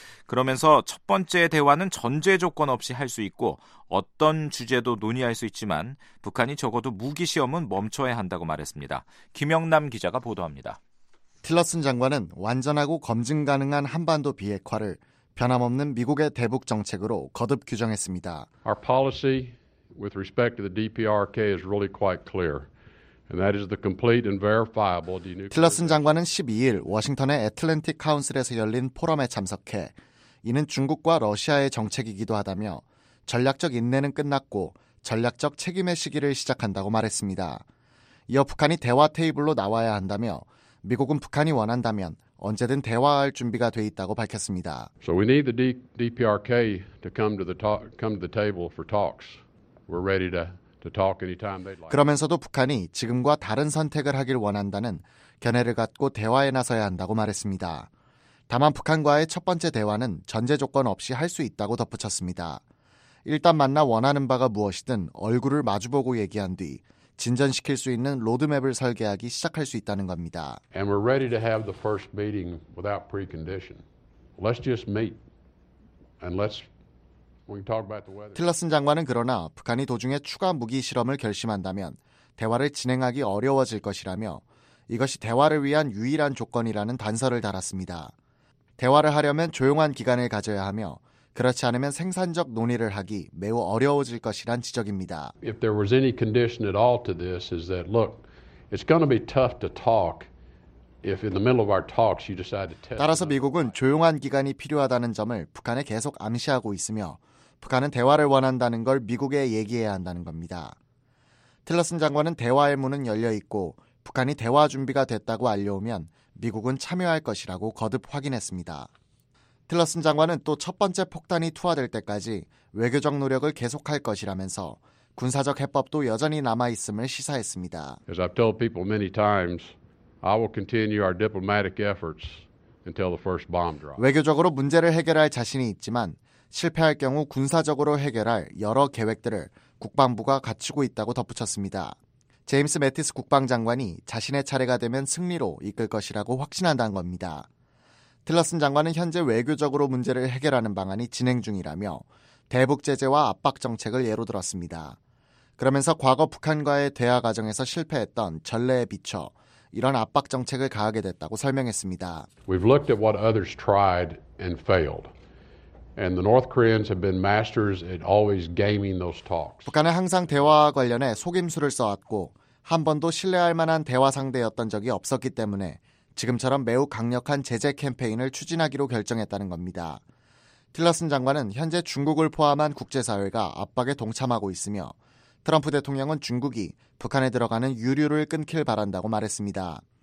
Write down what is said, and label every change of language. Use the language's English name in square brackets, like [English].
[Korean] 그러면서 첫 번째 대화는 전제 조건 없이 할 수 있고 어떤 주제도 논의할 수 있지만 북한이 적어도 무기 시험은 멈춰야 한다고 말했습니다. 김영남 기자가 보도합니다. 틸러슨 장관은 완전하고 검증 가능한 한반도 비핵화를 변함없는 미국의 대북 정책으로 거듭 규정했습니다. [English] Our policy with respect to the DPRK is really quite clear. And that is the complete and verifiable denuclearization. [Korean] 틸러슨 장관은 12일 워싱턴의 애틀랜틱 카운슬에서 열린 포럼에 참석해 이는 중국과 러시아의 정책이기도 하다며 전략적 인내는 끝났고 전략적 책임의 시기를 시작한다고 말했습니다. 이어 북한이 대화 테이블로 나와야 한다며 미국은 북한이 원한다면 언제든 대화할 준비가 돼 있다고 밝혔습니다. [English] So we need the DPRK to come to the table for talks. We're ready to talk anytime they'd like. [Korean] 그러면서도 북한이 지금과 다른 선택을 하길 원한다는 견해를 갖고 대화에 나서야 한다고 말했습니다. 다만 북한과의 첫 번째 대화는 전제 조건 없이 할 수 있다고 덧붙였습니다. 일단 만나 원하는 바가 무엇이든 얼굴을 마주보고 얘기한 뒤 진전시킬 수 있는 로드맵을 설계하기 시작할 수 있다는 겁니다. [English] And we're ready to have the first meeting without precondition. Let's just meet and let's. [Korean] 틸러슨 장관은 그러나 북한이 도중에 추가 무기 실험을 결심한다면 대화를 진행하기 어려워질 것이라며 이것이 대화를 위한 유일한 조건이라는 단서를 달았습니다. 대화를 하려면 조용한 기간을 가져야 하며 그렇지 않으면 생산적 논의를 하기 매우 어려워질 것이란 지적입니다. [English] If there was any condition at all to this is that look, it's going to be tough to talk. If in the middle of our talks you decide to test. [Korean] 따라서 미국은 조용한 기간이 필요하다는 점을 북한에 계속 암시하고 있으며 북한은 대화를 원한다는 걸 미국에 얘기해야 한다는 겁니다. 틸러슨 장관은 대화의 문은 열려 있고 북한이 대화 준비가 됐다고 알려오면 미국은 참여할 것이라고 거듭 확인했습니다. 틸러슨 장관은 또 첫 번째 폭탄이 투하될 때까지 외교적 노력을 계속할 것이라면서 군사적 해법도 여전히 남아 있음을 시사했습니다. [English] As I've told people many times, I will continue our diplomatic efforts until the first bomb drops. [Korean] 외교적으로 문제를 해결할 자신이 있지만 실패할 경우 군사적으로 해결할 여러 계획들을 국방부가 갖추고 있다고 덧붙였습니다. 제임스 매티스 국방장관이 자신의 차례가 되면 승리로 이끌 것이라고 확신한다는 겁니다. 틸러슨 장관은 현재 외교적으로 문제를 해결하는 방안이 진행 중이라며 대북 제재와 압박 정책을 예로 들었습니다. 그러면서 과거 북한과의 대화 과정에서 실패했던 전례에 비춰 이런 압박 정책을 가하게 됐다고 설명했습니다. [English] We've looked at what others tried and failed. And the North Koreans have been masters at always gaming those talks. [Korean] 북한은 항상 대화와 관련해 속임수를 써왔고 한 번도 신뢰할 만한 대화 상대였던 적이 없었기 때문에 지금처럼 매우 강력한 제재 캠페인을 추진하기로 결정했다는 겁니다. 틸러슨 장관은 현재 중국을 포함한 국제사회가 압박에 동참하고 있으며 트럼프 대통령은 중국이 북한에 들어가는 유류를 끊길 바란다고 말했습니다.